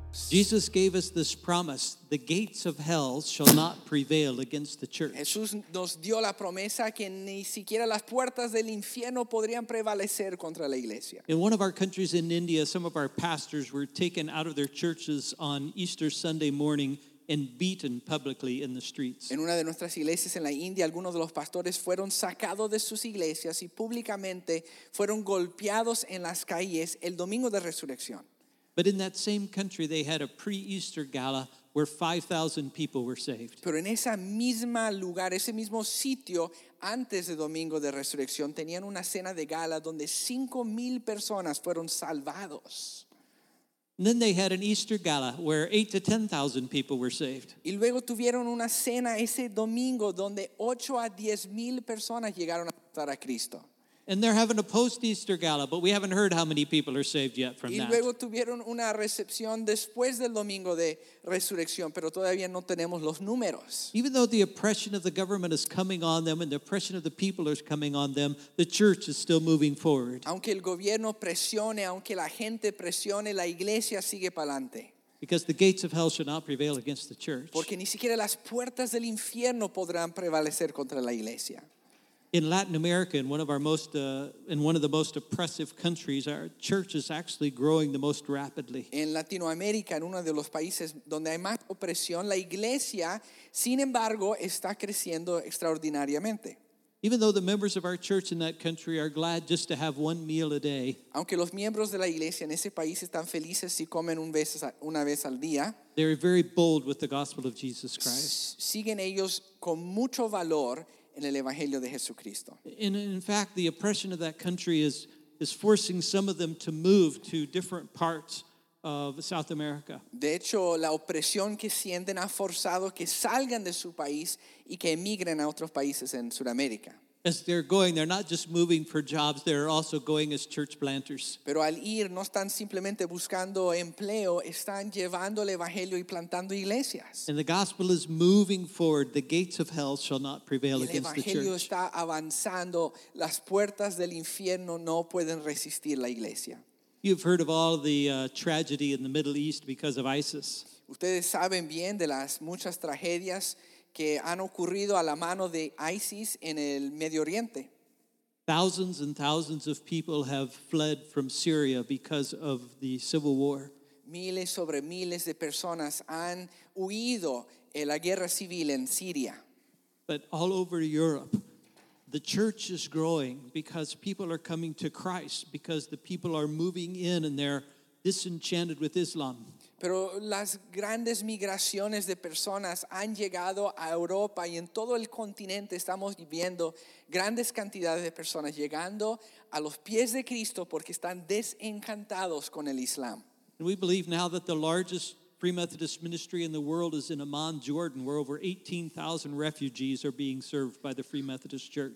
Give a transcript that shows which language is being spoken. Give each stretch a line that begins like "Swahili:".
English: Jesus gave us this promise: the gates of hell shall not prevail against the church.
Spanish: Jesús nos dio la promesa que ni siquiera las puertas del infierno podrían prevalecer contra la iglesia.
English: In one of our countries in India, some of our pastors were taken out of their churches on Easter Sunday morning and beaten publicly in the streets.
Spanish: En una de nuestras iglesias en la India, algunos de los pastores fueron sacados de sus iglesias y públicamente fueron golpeados en las calles el domingo de resurrección.
English: But in that same country, they had a pre-Easter gala where 5,000 people were saved.
Spanish: Pero en ese mismo lugar, ese mismo sitio, antes de Domingo de Resurrección, tenían una cena de gala donde 5,000 personas fueron salvados.
English: And then they had an Easter gala where 8,000 to 10,000 people were saved.
Spanish: Y luego tuvieron una cena ese domingo donde 8,000 to 10,000 personas llegaron a estar a Cristo.
English: And they're having a post-Easter gala, but we haven't heard how many people are saved yet from that.
Spanish: Y luego tuvieron una recepción después del domingo de resurrección, pero todavía no tenemos los números.
English: Even though the oppression of the government is coming on them and the oppression of the people is coming on them, the church is still moving forward.
Spanish: Aunque el gobierno presione, aunque la gente presione, la iglesia sigue para adelante.
English: Because the gates of hell shall not prevail against the church.
Spanish: Porque ni siquiera las puertas del infierno podrán prevalecer contra la iglesia.
English: In Latin America, in one of our most, in one of the most oppressive countries, our church is actually growing the most rapidly.
Spanish: En Latinoamérica, en uno de los países donde hay más opresión, la iglesia, sin embargo, está creciendo extraordinariamente.
English: Even though the members of our church in that country are glad just to have one meal a day,
Spanish: aunque los miembros de la iglesia en ese país están felices si comen una vez al día,
English: they are very bold with the gospel of Jesus Christ.
Spanish: Siguen ellos con mucho valor. En el Evangelio de Jesucristo.
English: And in fact, the oppression of that country is forcing some of them to move to different parts of South America.
Spanish: De hecho, la opresión que sienten ha forzado que salgan de su país y que emigren a otros países en Sudamérica.
English: As they're going, they're not just moving for jobs, they're also going as church planters.
Spanish: Pero al ir, no están simplemente buscando empleo, están llevando el Evangelio y plantando iglesias.
English: And the gospel is moving forward. The gates of hell shall not prevail against the church.
Spanish: El Evangelio está avanzando. Las puertas del infierno no pueden resistir la iglesia.
English: You've heard of all the tragedy in the Middle East because of ISIS.
Spanish: Ustedes saben bien de las muchas tragedias que han ocurrido a la mano de ISIS en el Medio Oriente.
English: Thousands and thousands of people have fled from Syria because of the civil war.
Spanish: Miles sobre miles de personas han huido de la guerra civil en Siria.
English: But all over Europe, the church is growing because people are coming to Christ, because the people are moving in and they're disenchanted with Islam.
Spanish: Pero las grandes migraciones de personas han llegado a Europa y en todo el continente estamos viviendo grandes cantidades de personas llegando a los pies de Cristo porque están desencantados con el Islam.
English: And we believe now that the largest Free Methodist ministry in the world is in Amman, Jordan, where over 18,000 refugees are being served by the Free Methodist Church.